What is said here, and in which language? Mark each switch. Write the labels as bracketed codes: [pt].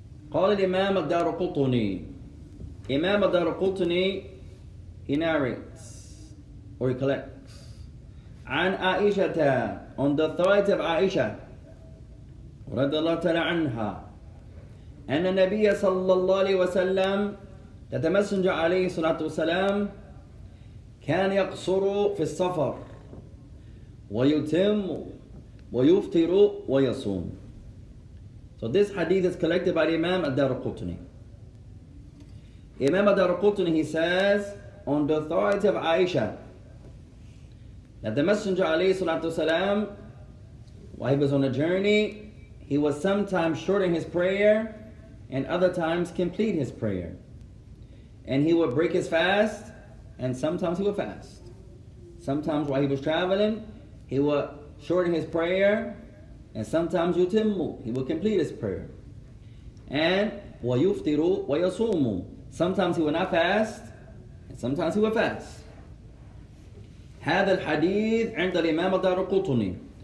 [ar] قال الإمام الدارقطني. إمام الدارقطني [en] he narrates or he collects [ar] عن عائشة [en] on the authority of [ar] عائشة رضي الله تعالى عنها أن النبي صلى الله عليه وسلم [en] that the messenger [ar] عليه الصلاة والسلام كان يقصر في السفر ويتم ويفطر ويصوم. [en] So this hadith is collected by Imam Ad-Darqutni. Imam Ad-Darqutni, he says, on the authority of Aisha, that the Messenger alayhi salatu wasalam, while he was on a journey, he was sometimes short in his prayer and other times complete his prayer. And he would break his fast and sometimes he would fast. Sometimes while he was traveling, he would shorten his prayer, and sometimes yutimmu, he will complete his prayer. And [ar] wa yuftiru wa yasumu, [en] sometimes he will not fast, and sometimes he will fast. [ar] هذا الحديث عند الإمام الدارقطني.